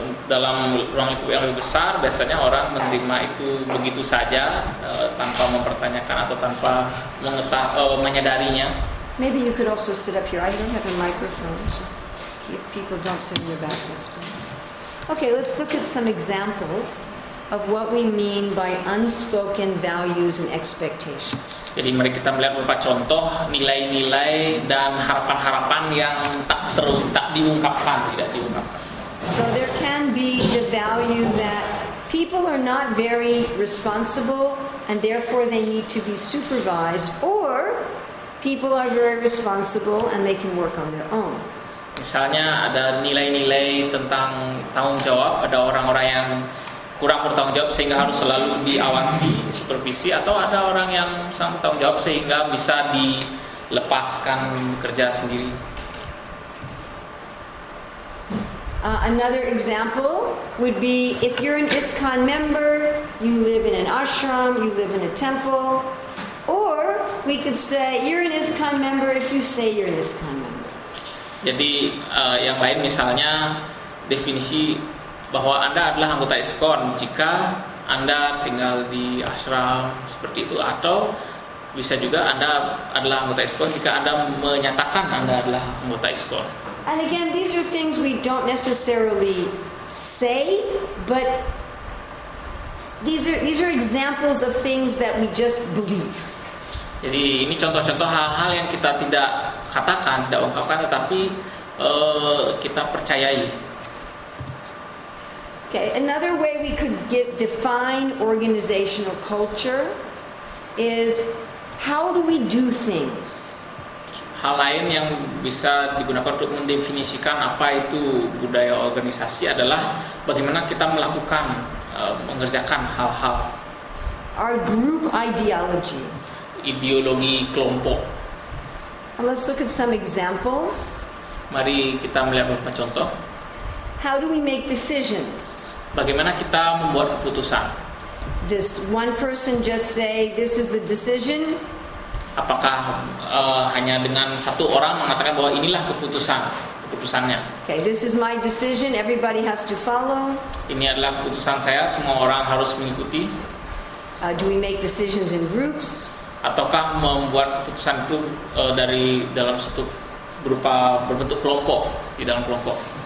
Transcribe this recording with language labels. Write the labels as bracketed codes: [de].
[id] Dalam ruang lingkup yang lebih besar, biasanya orang menerima itu begitu saja, tanpa mempertanyakan atau tanpa menyadarinya. [en] Maybe you could also sit up here. I don't have a microphone, so if people don't sit in your back, that's fine. Okay, let's look at some examples of what we mean by unspoken values and expectations. [id] Jadi mari kita melihat beberapa contoh nilai-nilai dan harapan-harapan yang tidak diungkapkan. [en] So there can be the value that people are not very responsible and therefore they need to be supervised, or people are very responsible and they can work on their own. [id] Misalnya ada nilai-nilai tentang tanggung jawab, ada orang-orang yang kurang bertanggung jawab sehingga harus selalu diawasi, supervisi, atau ada orang yang sangat bertanggung jawab sehingga bisa dilepaskan kerja sendiri. [en] Another example would be if you're an ISKCON member, you live in an ashram, you live in a temple, or we could say you're an ISKCON member if you say you're an ISKCON member. [id] Jadi yang lain misalnya definisi bahwa Anda adalah anggota ISKCON jika Anda tinggal di ashram seperti itu, atau bisa juga Anda adalah anggota ISKCON jika Anda menyatakan Anda adalah anggota ISKCON. [en] And again, these are things we don't necessarily say, but these are examples of things that we just believe. [id] Jadi ini contoh-contoh hal-hal yang kita tidak katakan, tidak ungkapkan, tetapi kita percayai. [en] Okay, another way we could define organizational culture is how do we do things? [id] Hal lain yang bisa digunakan untuk mendefinisikan apa itu budaya organisasi adalah bagaimana kita melakukan, mengerjakan hal-hal. [en] Our group ideology. [id] Ideologi kelompok. [en] And let's look at some examples. [id] Mari kita melihat beberapa contoh. [en] How do we make decisions? [id] Bagaimana kita membuat keputusan? [en] Does one person just say this is the decision? [id] Apakah hanya dengan satu orang mengatakan bahwa inilah keputusannya? [en] Okay, this is my decision. Everybody has to follow. [id] Ini adalah keputusan saya. Semua orang harus mengikuti. [en] Do we make decisions in groups? [id] Ataukah membuat keputusan itu dari dalam satu berupa berbentuk kelompok di dalam kelompok?